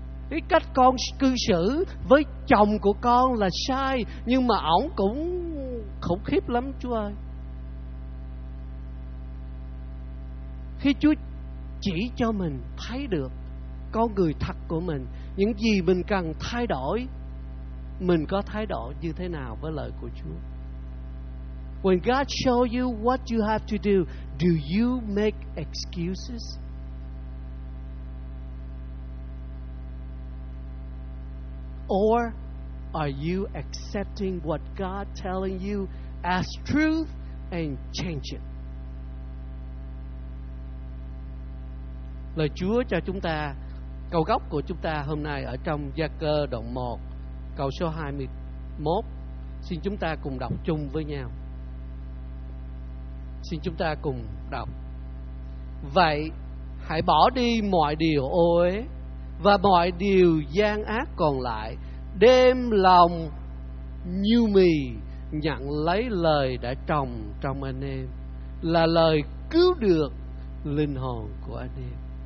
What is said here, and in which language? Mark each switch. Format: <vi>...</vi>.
<vi>Cái cách con cư xử với chồng của con là sai, nhưng mà ổng cũng khủng khiếp lắm Chúa ơi. Khi Chúa chỉ cho mình thấy được con người thật của mình, những gì mình cần thay đổi, mình có thái độ như thế nào với lời của Chúa?</vi> <en>When God show you what you have to do, do you make excuses? Or are you accepting what God telling you as truth and change it?</en> <vi>Lời Chúa cho chúng ta, câu gốc của chúng ta hôm nay ở trong Gia-cơ đoạn 1 câu số 21, xin chúng ta cùng đọc chung với nhau. Xin chúng ta cùng đọc: vậy hãy bỏ đi mọi điều ô uế và mọi điều gian ác còn lại, đem lòng nhu mì, nhận lấy lời đã trồng trong anh em, là lời cứu được linh hồn của anh em.</vi>